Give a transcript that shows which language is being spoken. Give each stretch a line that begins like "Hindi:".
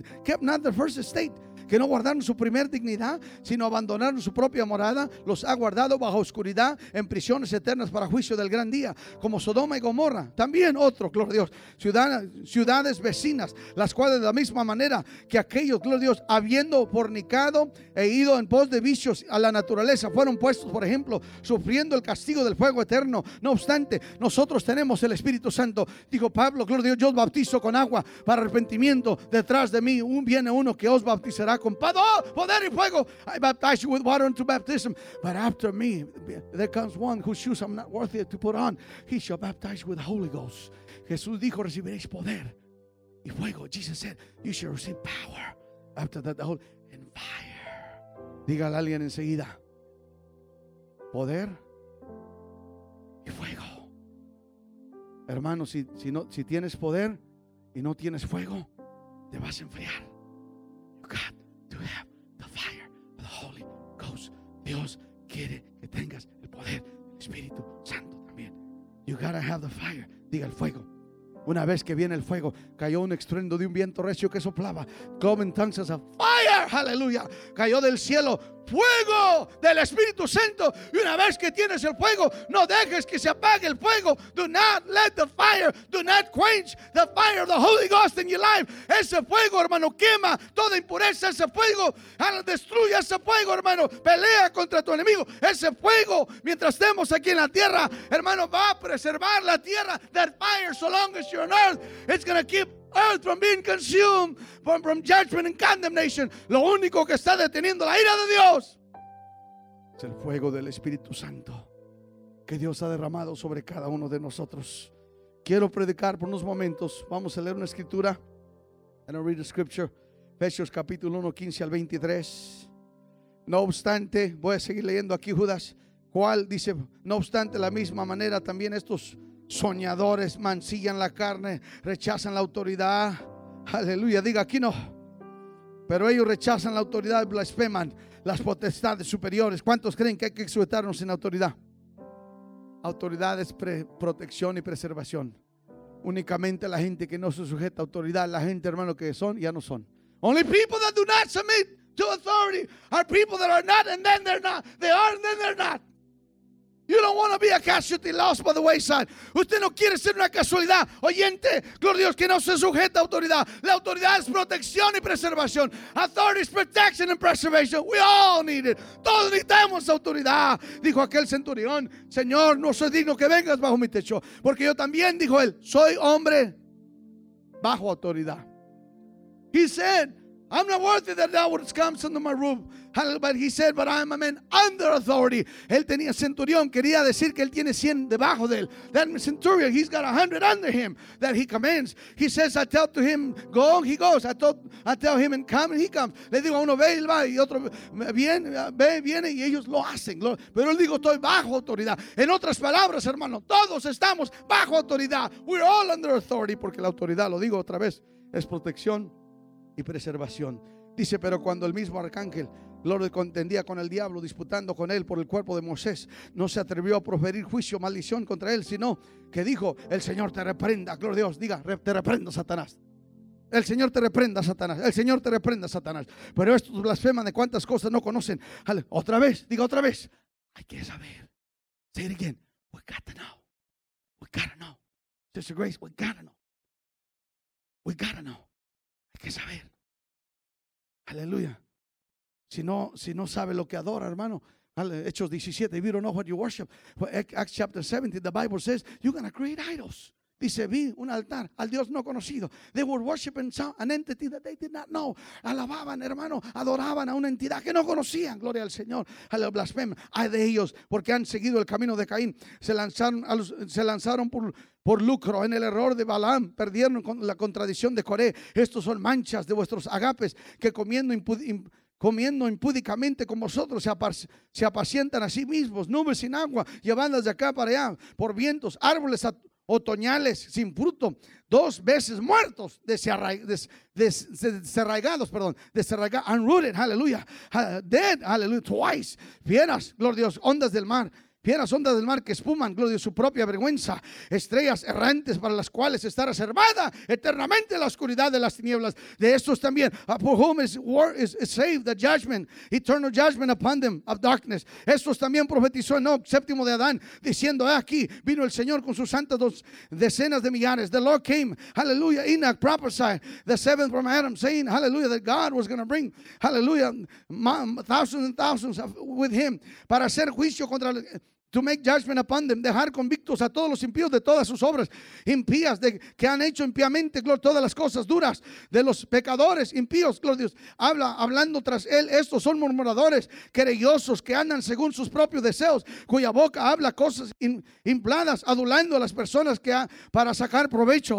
English: kept not their first estate,
Spanish: que no guardaron su primer dignidad, sino abandonaron su propia morada, los ha guardado bajo oscuridad, en prisiones eternas para juicio del gran día, como Sodoma y Gomorra, también otro, gloria a Dios, ciudades vecinas, las cuales de la misma manera que aquellos, gloria a Dios, habiendo fornicado e ido en pos de vicios a la naturaleza, fueron puestos, por ejemplo, sufriendo el castigo del fuego eterno. No obstante, nosotros tenemos el Espíritu Santo, dijo Pablo, gloria a Dios, yo os bautizo con agua para arrepentimiento, detrás de mí viene uno que os bautizará con poder y fuego.
English: I baptize you with water unto baptism. But after me, there comes one whose shoes I'm not worthy to put on. He shall baptize with the Holy Ghost.
Spanish: Jesús dijo, recibiréis poder y fuego.
English: Jesus said, you shall receive power. After that, the Holy and fire.
Spanish: Dígale a alguien enseguida. Poder y fuego. Hermano, si tienes poder y no tienes fuego, te vas a enfriar.
English: You got to have the fire of the Holy Ghost.
Spanish: Dios quiere que tengas el poder del Espíritu Santo también.
English: You gotta have the fire.
Spanish: Diga el fuego. Una vez que viene el fuego, cayó un estruendo de un viento recio que soplaba.
English: Come in tongues of fire. Hallelujah.
Spanish: Cayó del cielo fuego del Espíritu Santo. Y una vez que tienes el fuego, no dejes que se apague el fuego.
English: Do not let the fire, do not quench the fire of the Holy Ghost in your life.
Spanish: Ese fuego, hermano, quema toda impureza. Ese fuego, destruye ese fuego, hermano. Pelea contra tu enemigo. Ese fuego, mientras estemos aquí en la tierra, hermano, va a preservar la tierra.
English: That fire, so long as you're on earth, it's going to keep earth from being consumed from judgment and condemnation.
Spanish: Lo único que está deteniendo la ira de Dios es el fuego del Espíritu Santo que Dios ha derramado sobre cada uno de nosotros. Quiero predicar por unos momentos. Vamos a leer una escritura.
English: And I'll read a scripture.
Spanish: Efesios capítulo 1, 15 al 23. No obstante, voy a seguir leyendo aquí Judas. ¿Cuál dice? No obstante, la misma manera también estos soñadores mancillan la carne, rechazan la autoridad. Aleluya, diga aquí no. Pero ellos rechazan la autoridad, blasfeman las potestades superiores. ¿Cuántos creen que hay que sujetarnos en autoridad? Autoridad es protección y preservación. Únicamente la gente que no se sujeta a autoridad, la gente, hermano, que son, ya no son.
English: Only people that do not submit to authority are people that are not and then they're not. They are and then they're not. You don't want to be a casualty lost by the wayside.
Spanish: Usted no quiere ser una casualidad, oyente. Gloria a Dios que no se sujeta a autoridad. La autoridad es protección y preservación.
English: Authority is protection and preservation. We all need it.
Spanish: Todos necesitamos autoridad. Dijo aquel centurión: Señor, no soy digno que vengas bajo mi techo. Porque yo también, dijo él, soy hombre bajo autoridad.
English: He said, I'm not worthy that thou wouldst come under my roof. But he said, but I'm a man under authority.
Spanish: Él tenía centurión, quería decir que él tiene 100 debajo de él.
English: That centurion, he's got 100 under him that he commands. He says, I tell to him, go, he goes. I tell him, and come, and he comes.
Spanish: Le digo a uno, ve, él va, y otro, viene, y ellos lo hacen. Pero él digo, estoy bajo autoridad. En otras palabras, hermano, todos estamos bajo autoridad.
English: We're all under authority,
Spanish: porque la autoridad, lo digo otra vez, es protección y preservación. Dice, pero cuando el mismo arcángel Lord contendía con el diablo, disputando con él por el cuerpo de Moisés, no se atrevió a proferir juicio, maldición contra él, sino que dijo, el Señor te reprenda. Gloria a Dios, diga, te reprenda Satanás. El Señor te reprenda Satanás. El Señor te reprenda Satanás. Pero estos blasfeman de cuántas cosas no conocen. Otra vez, diga otra vez. Hay que saber.
English: Say it again. We got to know. We got to know. Sister Grace, we got to know. We got to know.
Spanish: Hay que saber.
English: Aleluya.
Spanish: Si no sabe lo que adora, hermano. Hechos 17,
English: if you don't know what you worship. Acts chapter 17, the Bible says, you're going to create idols.
Spanish: Dice, vi un altar al Dios no conocido.
English: They were worshiping an entity that they did not know.
Spanish: Alababan, hermano, adoraban a una entidad que no conocían. Gloria al Señor. Aleluya, blasfema. Ay de ellos, porque han seguido el camino de Caín. Se lanzaron por lucro en el error de Balaam, perdieron con la contradicción de Coré. Estos son manchas de vuestros agapes que comiendo impúdicamente con vosotros, se apacientan a sí mismos, nubes sin agua, llevándolas de acá para allá, por vientos, árboles otoñales sin fruto, dos veces muertos, desarraigados,
English: unrooted,
Spanish: aleluya,
English: dead,
Spanish: aleluya,
English: twice,
Spanish: fieras, gloria a Dios, ondas del mar. Fieras ondas del mar que espuman, gloria de su propia vergüenza. Estrellas errantes para las cuales está reservada eternamente la oscuridad de las tinieblas. De estos también,
English: for whom is saved the judgment, eternal judgment upon them of darkness.
Spanish: Estos también profetizó Enoch, séptimo de Adán, diciendo, aquí vino el Señor con sus santas dos decenas de millares.
English: The Lord came, hallelujah, Enoch prophesied, the seventh from Adam, saying, hallelujah, that God was going to bring, hallelujah, thousands and thousands with him
Spanish: para hacer juicio contra el
English: to make judgment upon them,
Spanish: dejar convictos a todos los impíos de todas sus obras impías, de que han hecho impíamente, gloria, todas las cosas duras de los pecadores impíos, gloria Dios, habla, hablando tras él, estos son murmuradores, querellosos, que andan según sus propios deseos, cuya boca habla cosas impladas, adulando a las personas que ha, para sacar provecho.